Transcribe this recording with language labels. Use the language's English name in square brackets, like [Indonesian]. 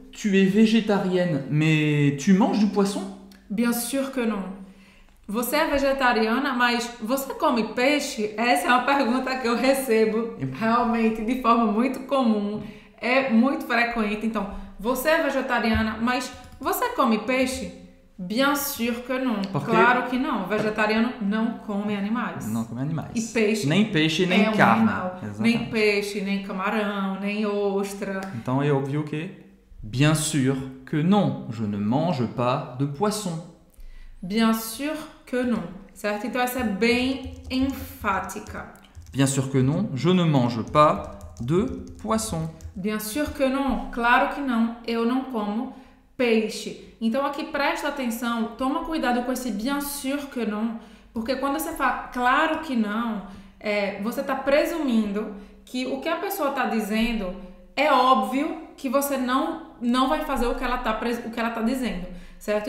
[French] Tu es végétarienne, mais tu manges du poisson? Bien sûr que non. [Portuguese] Você é vegetariana, mas você come peixe? Essa é uma pergunta que eu recebo realmente de forma muito comum, é muito frequente. Então, você é vegetariana, mas você come peixe? [French] Bien sûr que non. [Portuguese] Porque claro que não. Vegetariano não come animais. Não come animais. E peixe? Nem peixe, nem é um carne. Animal. Nem peixe, nem camarão, nem ostra. Então é óbvio que [French] bien sûr que non. Je ne mange pas de poisson. Bien sûr que non. [Portuguese] Certo? Então essa é bem enfática. [French] Bien sûr que non, je ne mange pas de poisson. Bien sûr que non, [Portuguese] claro que não, eu não como peixe. Então aqui presta atenção, toma cuidado com esse [French] bien sûr que non, [Portuguese] porque quando você fala claro que não, você está presumindo que o que a pessoa está dizendo é óbvio que você não vai fazer o que ela tá dizendo. Certo?